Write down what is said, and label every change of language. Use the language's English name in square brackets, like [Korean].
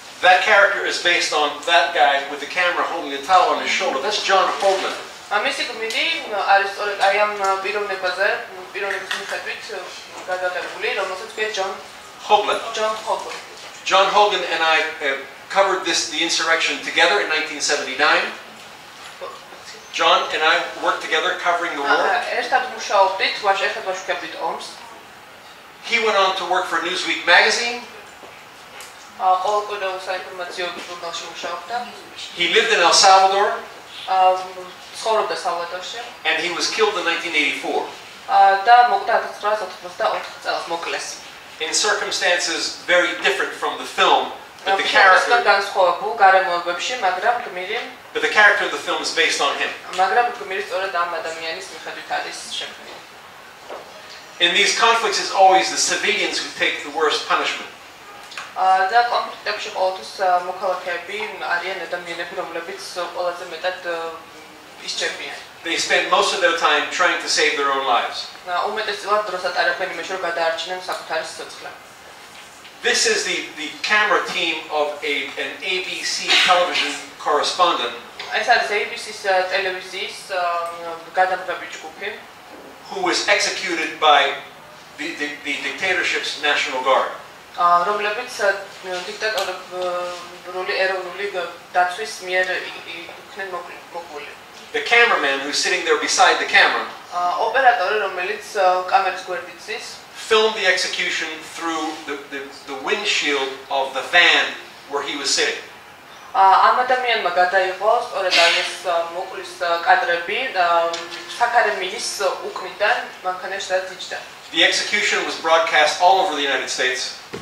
[English] That character is based on that guy with the camera holding a towel on his shoulder that's John Holman [Georgian] ამისი გმირი არის სწორედ აი ამ პიროვნებაზე პიროვნების მიხედვით გადაღებული რომელიც ქვია John [English] Holman John Holman John Holman and I covered this the insurrection together in 1979 John and I worked together covering the war. [Georgian] ერთად მუშაობდით, ვაშ ერთად ვაშუქებდით ომს. [English] He went on to work for Newsweek magazine. [Georgian] ყოველკვირეულ საინფორმაციო ჟურნალში მუშაობდა. [English] He lived in El Salvador. [Georgian] ცხოვრობდა სალვადორში. [English] And he was killed in 1984. [Georgian] და მოკვდა 1984 წელს, მოკლეს. [English] In circumstances very different from the film. But the character [Georgian] განსხვავებულ გარემოებებში, მაგრამ გმირი [English] But the character of the film is based on him. [Georgian] მაგრამ გმირი სწორედ ამ ადამიანის მიხედვით არის შექმნილი. [English] In these conflicts it's always the civilians who take the worst punishment. [Georgian] და კონფლიქტებში ყოველთვის მოქალაქეები არიან ადამიანები, რომლებიც ყველაზე მეტად ისჯებიან. [English] They spend most of their time trying to save their own lives. [Georgian] და უმეტესად დროს ატარებენ იმაში, რომ გადაარჩინონ საკუთარი სიცოცხლე. [English] This is the camera team of an ABC television correspondent. I said ABC's television's [Georgian] გადამღები ჯგუფი [English] who was executed by the dictatorship's National Guard. [Georgian] რომლებიც დიქტატორული ეროვნული დაცვის მიერ იქნენ მოკლული. [English] The cameraman who's sitting there beside the camera. [Georgian] ოპერატორი რომელიც კამერის გვერდით ის [English] filmed the execution through the windshield of the van where he was sitting. [Georgian] ამ ადამიანმა გადაიღო სწორედ ეს მოკლის კადრები საქარემილის უკნიდან მანქანაში დაიჭდა. [English] The execution was broadcast all over the United States.